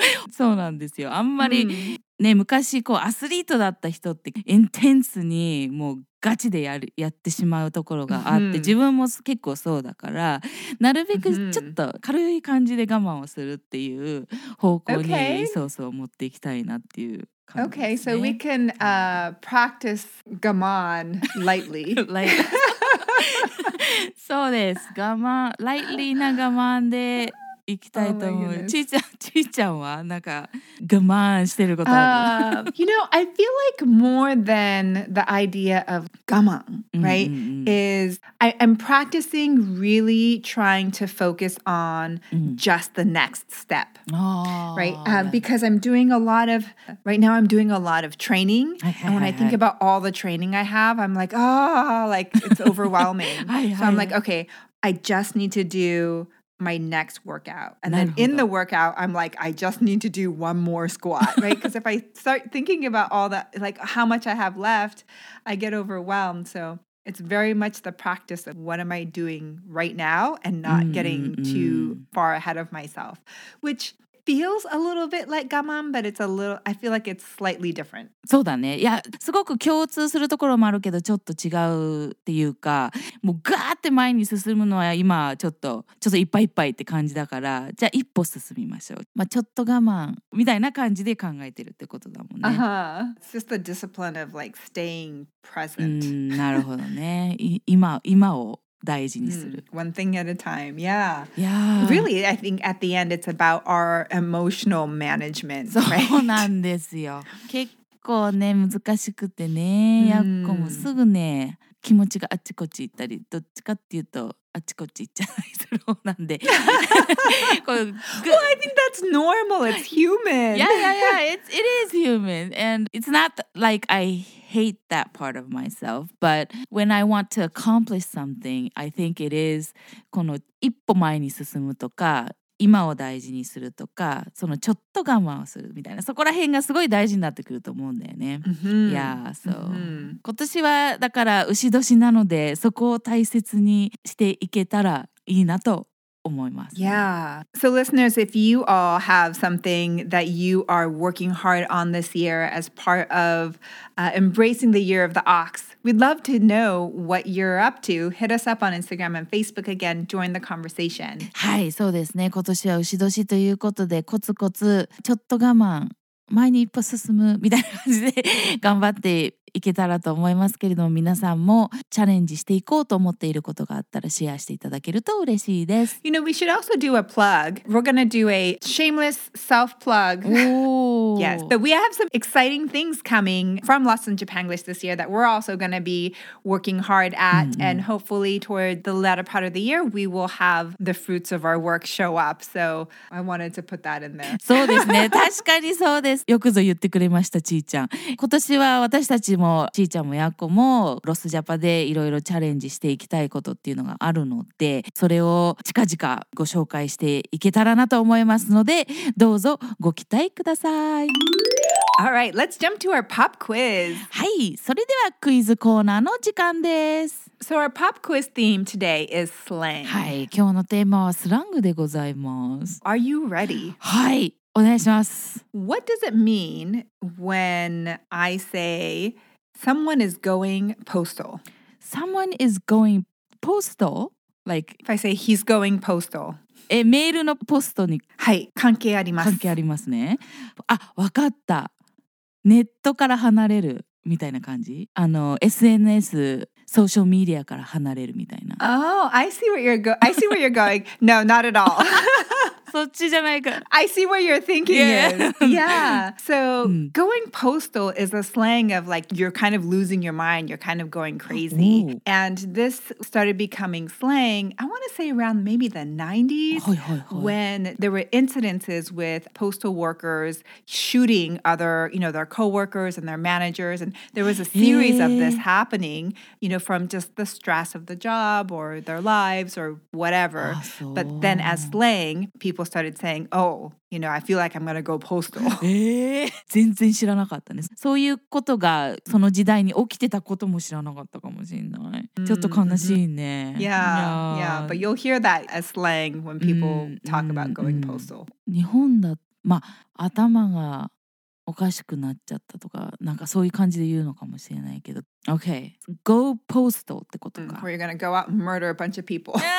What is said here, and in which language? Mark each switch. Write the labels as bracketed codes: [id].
[ja] そうなんですよあんまり、ね、昔こうアスリートだった人ってインテンスにもうガチでやってしまうところがあって、うん、自分も結構そうだからなるべくちょっと軽い感じで我慢をするっていう方向に、 [en] okay. [ja] そうそう持っていきたいなっていう感じですね [en] Okay, so we can practice 我慢 lightly [ja] そうです我慢 lightly な我慢でいきたいと思う、oh、ちーちゃんはなんか我慢してることある [en] you know, I feel like more than the idea of 我慢 right? Mm-hmm. Is I'm practicing really trying to focus on just the next step right? Because I'm doing a lot of right now I'm doing a lot of training and when I think about all the training I have I'm like, oh, like it's overwhelming so I'm like, okay I just need to dodo my next workout. And then in the workout, I'm like, I just need to do one more squat, right? Because if I start thinking about all that, like how much I have left, I get overwhelmed. So it's very much the practice of what am I doing right now and not getting too far ahead of myself, which... feels a little bit like 我慢 but it's a little, I feel like it's slightly different. [ja] そうだね。いや、すごく共通するところもあるけど、ちょっと違うっていうか、もうガーって前に進むのは今ちょっといっぱいいっぱいって感じだから、じゃあ一歩進みましょう。まあちょっと我慢みたいな感じで考えてるってことだもんね。 [en] Uh-huh. It's just the discipline of like staying present. [ja] なるほどね。今を。大事にする。 [en] One thing at a time. Yeah. Yeah. Really, I think at the end, it's about our emotional management. [ja] そうなんですよ。結構ね、難しくてね、やっこもすぐね、気持ちがあっちこっち行ったり、どっちかっていうと、あっちこっち行っちゃいそうなんで。 [en] Well, I think that's normal. It's human. Yeah. It is human. And it's not like I hate that part of myself. But when I want to accomplish something, I think it is [ja] この一歩前に進むとか、今を大事にするとか、そのちょっと我慢をするみたいな、そこら辺がすごい大事になってくると思うんだよね。 [en] Mm-hmm. Yeah, so. Mm-hmm. [ja] 今年はだから牛年なので、そこを大切にしていけたらいいなと思います。 [en] Yeah. So listeners, if you all have something that you are working hard on this year as part of embracing the year of the ox,We'd love to know what you're up to. Hit us up on Instagram and Facebook again. Join the conversation. [ja] はい、そうですね。今年は牛年ということで、コツコツ、ちょっと我慢、前に一歩進むみたいな感じで頑張っていけたらと思いますけれども、皆さんもチャレンジしていこうと思っていることがあったらシェアしていただけると嬉しいです。 [en] You know, we should also do a plug. We're gonna do a shameless self-plug. Yes, but we have some exciting things coming from Lost in Japanglish this year that we're also gonna be working hard at. Mm-hmm. And hopefully toward the latter part of the year, we will have the fruits of our work show up. So I wanted to put that in there. [ja] そうですね。確かにそうです。よくぞ言ってくれました、ちーちゃん。今年は私たちもちーちゃんもやっこもロスジャパでいろいろチャレンジしていきたいことっていうのがあるのでそれを近々ご紹介していけたらなと思いますのでどうぞご期待ください [en] All right, let's jump to our pop quiz [ja] はい、それではクイズコーナーの時間です [en] So our pop quiz theme today is slang [ja] はい、今日のテーマはスラングでございます [en] Are you ready? [ja] はい、お願いします [en] What does it mean when I say someone is going postal? Someone is going postal? Like, if I say he's going postal. [ja] え、メールのポストに。はい、関係あります。関係ありますね。あ、わかった。ネットから離れるみたいな感じ。あの、SNS、ソーシャルメディアから離れるみたいな。 [en] Oh, I see where you're going. I see where you're going. No, not at all. [ja] そっちじゃないか。 [en] I see where you're thinking is. Yeah. So, going postal is a slang of like, you're kind of losing your mind. You're kind of going crazy. And this started becoming slang, I want to say around maybe the 90s, when there were incidences with postal workers shooting other, you know, their coworkers and their managers. And there was a series of this happening, you know, from just the stress of the job or their lives or whatever. But then as slang, people started saying, oh, you know, I feel like I'm going to go postal. [ja] 全然知らなかったね。そういうことがその時代に起きてたことも知らなかったかもしれない。ちょっと悲しいね。 [en] Yeah, but you'll hear that as slang when people talk about going postal. [ja] 日本だ、まあ、頭がおかしくなっちゃったとか、なんかそういう感じで言うのかもしれないけど。 Okay, go postal ってことか。 [en] Where you're going to go out and murder a bunch of people.